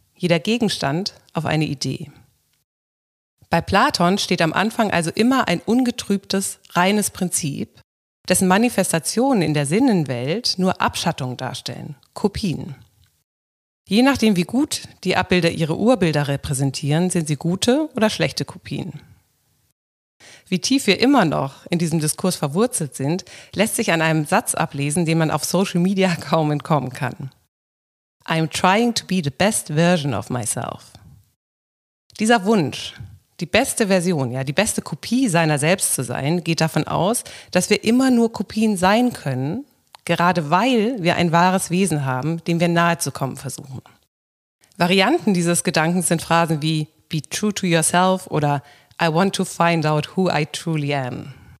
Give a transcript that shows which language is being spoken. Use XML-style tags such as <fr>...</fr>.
<de>Jeder Gegenstand auf eine Idee. Bei Platon steht am Anfang also immer ein ungetrübtes, reines Prinzip, dessen Manifestationen in der Sinnenwelt nur Abschattungen darstellen, Kopien. Je nachdem, wie gut die Abbilder ihre Urbilder repräsentieren, sind sie gute oder schlechte Kopien. Wie tief wir immer noch in diesem Diskurs verwurzelt sind, lässt sich an einem Satz ablesen, den man auf Social Media kaum entkommen kann.</de> <en>I'm trying to be the best version of myself.</en> <de>Dieser Wunsch, die beste Version, ja, die beste Kopie seiner selbst zu sein, geht davon aus, dass wir immer nur Kopien sein können, gerade weil wir ein wahres Wesen haben, dem wir nahe zu kommen versuchen. Varianten dieses Gedankens sind Phrasen wie</de> <en>be true to yourself</en> <de>oder</de> <en>I want to find out who I truly am.</en>